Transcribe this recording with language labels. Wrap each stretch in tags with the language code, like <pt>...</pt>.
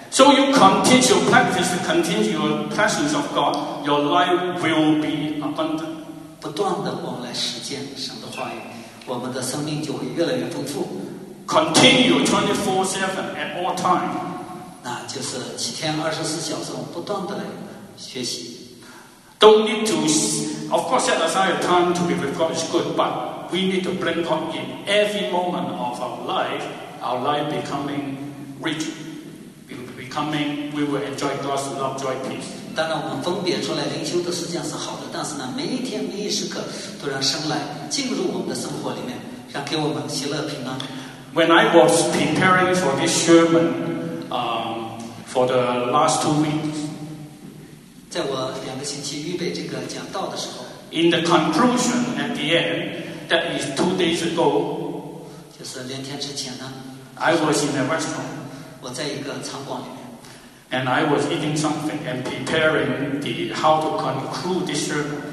<en>So you continue practice, continue your presence of God, your life will be abundant.</en> <zh>不断的我们来实践神的话语，我们的生命就会越来越丰富。</zh> <en>Continue 24/7 at all time.</en> <zh>那就是七天二十四小时，不断的来学习。</zh> <en>Don't need to, of course, set aside time to be with God is good, but. We need to bring God in every moment of our life becoming rich, becoming, we will enjoy God's love, joy, peace.</en> <zh>当然我们分别出来灵修的时间是好的，但是呢，每一天每一时刻都让神来进入我们的生活里面，让给我们喜乐平安。</zh> <en>When I was preparing for this sermon, for the last 2 weeks,</en> <zh>在我两个星期预备这个讲道的时候，</zh> <en>in the conclusion at the end,That is 2 days ago.</en> <zh>就是两天之前呢。</zh> <en>I was in a restaurant.</en> <zh>我在一个餐馆里面。</zh> <en>And I was eating something and preparing the how to conclude this sermon.</en>